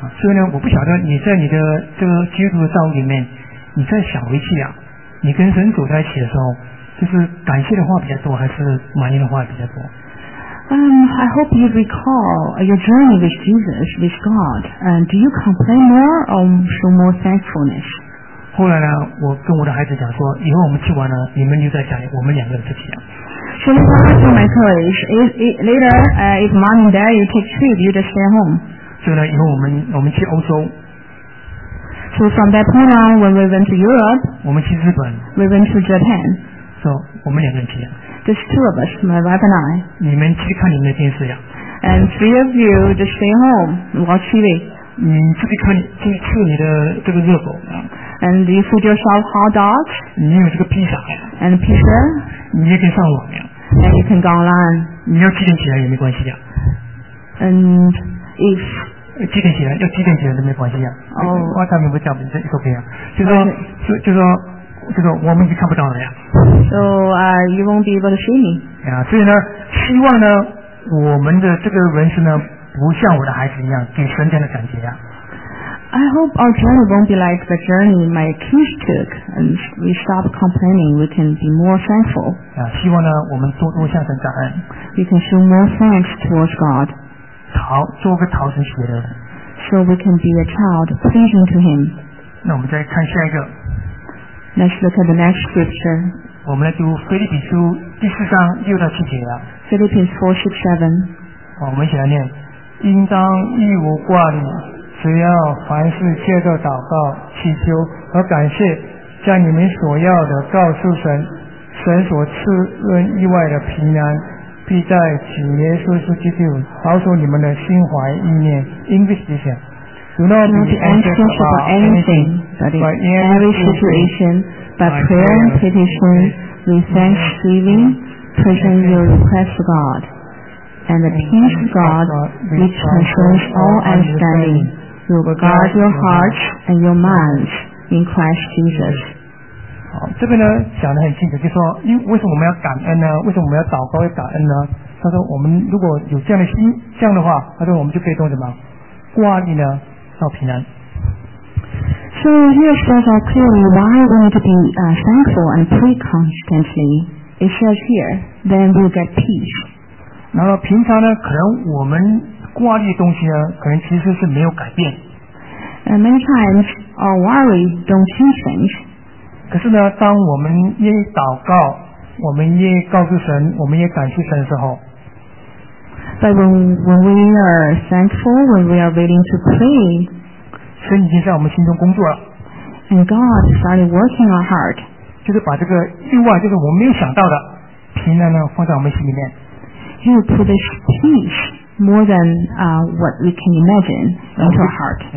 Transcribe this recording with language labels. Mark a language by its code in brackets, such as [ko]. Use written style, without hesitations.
[zh] 所以呢，我不晓得你在你的这个基督的道里面，你再想回去啊，你跟神走在一起的时候，就是感谢的话比较多，还是埋怨的话比较多？ [en] I hope you recall your journey with Jesus, with God. And do you complain more or show more thankfulness? [zh] 后来呢，我跟我的孩子讲说，以后我们去玩呢，你们留在家里，我们两个人自己啊。 [en] So later, I told my colleagues, if mom and dad you take trip, you just stay home. [zh] 所以呢，以后我们去欧洲。 [en] So from that point on, when we went to Europe, [zh] 我们去日本。 [en] We went to Japan. [zh] So 我们两个人去。 [en] Just two of us, my wife and I. [zh] 你们去看你们的电视呀。 [en] And three of you just stay home, watch TV. [zh] 你自己看，自己吃你的这个热狗。 [en] And you feed yourself hot dogs. [zh] 你有这个披萨。 [en] And pizza. [zh] 你也可以上网呀。 [en] And you can go online. [zh] 你要几点起来也没关系呀。 [en] And if [zh] 几点起来要几点起来都没关系呀、啊。哦，我上面不讲，你这一个不一样。就说、okay. 就说我们已经看不到了呀。 [en] So you won't be able to see me. [zh] 呀，所以呢，希望呢，我们的这个人生呢，不像我的孩子一样给神这样的感觉呀。 [en] I hope our journey won't be like the journey my kids took, and we stop complaining. We can be more thankful. [zh] 呀，希望呢，我们多多向神感恩。 [en] We can show more thanks towards God. [zh] 讨做个讨神喜悦的 [en] ，so we can be a child pleasing to him。 [zh] 那我们再看下一个。 [en] Let's look at the next scripture。 [zh] 我们来读腓立比书第四章六到七节啊。 [en] Philippians 4:6-7。 [zh] 我们一起来念：应当一无挂虑，只要凡事借着祷告、祈求和感谢，将你们所要的告诉神，神所赐恩意外的平安。必在主耶稣基督保守你们的心怀意念。 [en] English version. Do not be anxious about anything, but in every situation, by prayer and petition, with thanksgiving, present your requests to God. and the peace of God, which transcends all understanding, will guard your hearts and your minds in Christ Jesus. [zh] 好，这边呢讲得很清楚，就说因为为什么我们要感恩呢？为什么我们要祷告要感恩呢？他说我们如果有这样的心，这样的话，他说我们就可以懂什么挂念呢到平安。 [en] So here it says clearly why we need to be thankful and pray constantly. It says here, then we'll get peace. [zh] 然后平常呢，可能我们挂念的东西呢，可能其实是没有改变。 [en] And many times our worry don't seem change. [zh] 可是呢，当我们愿意祷告，我们愿意告诉神，我们也感谢神的时候 [en] ，But when we are thankful, when we are willing to pray, [zh] 神已经在我们心中工作了 [en] ，And God started working our heart, [zh] 就是把这个意外，就是我们没有想到的平安呢，放在我们心里面 [en] ，He will put this peace more than what we can imagine into our heart.